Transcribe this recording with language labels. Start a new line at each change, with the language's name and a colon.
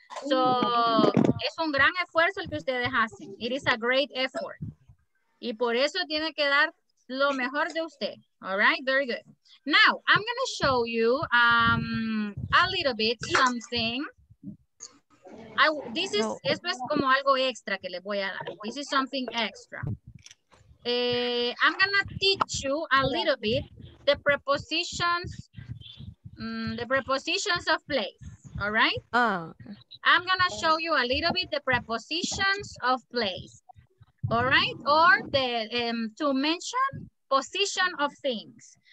Spanish: So, es un gran esfuerzo el que ustedes hacen.
English: It is a great effort.
Spanish: Y por eso tiene que dar lo mejor de usted.
English: All right? Very good. Now, I'm going to show you a little bit something.
Spanish: Esto es como algo extra que les voy a dar.
English: This is something extra. I'm going to teach you a little bit the prepositions of place. All right? I'm going to show you a little bit the prepositions of place. All right? Or to mention position of things.